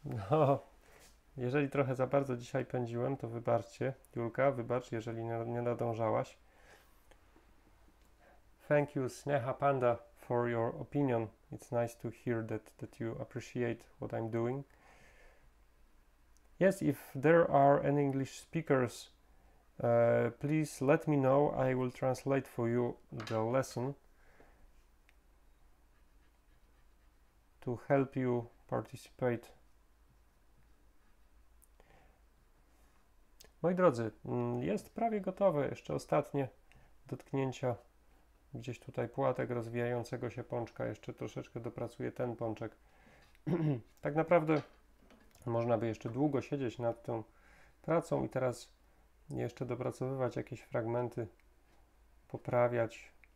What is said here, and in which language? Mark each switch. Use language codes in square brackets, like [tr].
[pl] No, jeżeli trochę za bardzo dzisiaj pędziłem, to wybaczcie, Julka, wybacz, jeżeli nie nadążałaś. [en] Thank you, Sneha Panda, for your opinion. It's nice to hear that you appreciate what I'm doing. Yes, if there are any English speakers, please let me know. I will translate for you the lesson to help you participate. [pl] Moi drodzy, jest prawie gotowe. Jeszcze ostatnie dotknięcia gdzieś tutaj płatek rozwijającego się pączka. Jeszcze troszeczkę dopracuję ten pączek. Tak naprawdę można by jeszcze długo siedzieć nad tą pracą i teraz jeszcze dopracowywać jakieś fragmenty, poprawiać.